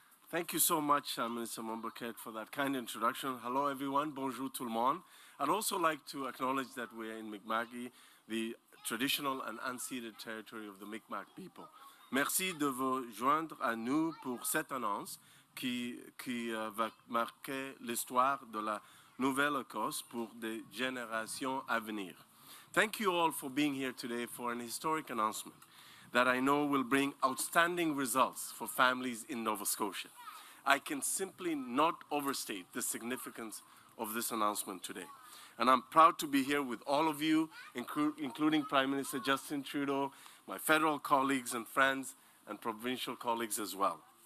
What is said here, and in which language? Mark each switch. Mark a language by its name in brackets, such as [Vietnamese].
[English] Thank you so much, Minister Mombourquette, for that kind introduction. Hello, everyone. [French] Bonjour, tout le monde. [English] I'd also like to acknowledge that we're in Mi'kma'ki, the traditional and unceded territory of the Mi'kmaq people. [French] Merci de vous joindre à nous pour cette annonce qui va marquer l'histoire de la Nouvelle-Écosse pour des générations à venir. [English] Thank you all for being here today for an historic announcement that I know will bring outstanding results for families in Nova Scotia. I can simply not overstate the significance of this announcement today. And I'm proud to be here with all of you, including Prime Minister Justin Trudeau, my federal colleagues and friends, and provincial colleagues as well.